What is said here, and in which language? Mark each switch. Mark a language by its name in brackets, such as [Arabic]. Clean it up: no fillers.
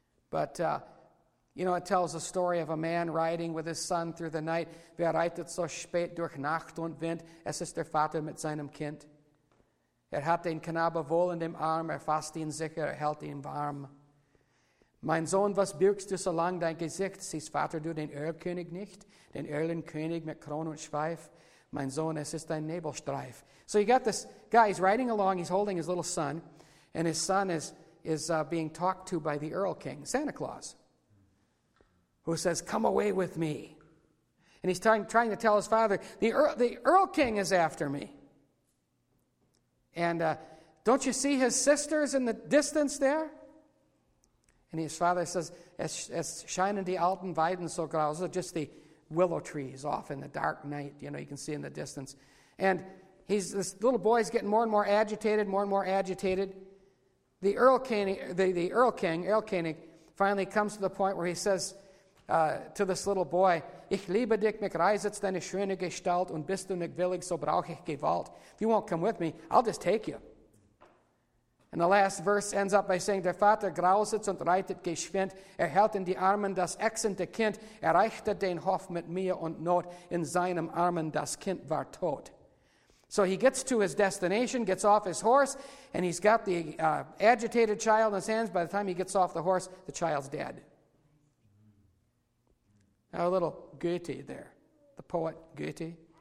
[English] But, it tells a story of a man riding with his son through the night. [German] Wer reitet so spät durch Nacht und Wind, es ist der Vater mit seinem Kind. Er hat den Knabe wohl in dem Arm, er fasst ihn sicher, er hält ihn warm. Mein Sohn, was birgst du so lang dein Gesicht? Siehst Vater du den Erlkönig nicht, den Erlenkönig mit Kron und Schweif? Mein Sohn, es ist dein Nebelstreif. [English] So you got this guy, he's riding along, he's holding his little son, and his son is being talked to by the Erl King, Santa Claus, who says, come away with me. And he's trying to tell his father, the Erl King is after me. And don't you see his sisters in the distance there? And his father says, [German] es scheinen die alten Weiden so grau, [English] so just the willow trees off in the dark night, you can see in the distance. And this little boy's getting more and more agitated, more and more agitated. The Erl King, finally comes to the point where he says to this little boy, [German] ich liebe dich, mich reizt deine schöne Gestalt und bist du nicht willig, so brauch ich Gewalt. [English] If you won't come with me, I'll just take you. And the last verse ends up by saying, [German] der Vater grauset und reitet geschwind, er hält in die Armen das ächzende Kind, er reichte den Hof mit Mühe und Not, in seinem Armen das Kind war tot. [English] So he gets to his destination, gets off his horse, and he's got the agitated child in his hands. By the time he gets off the horse, the child's dead. Now a little Goethe there, the poet Goethe.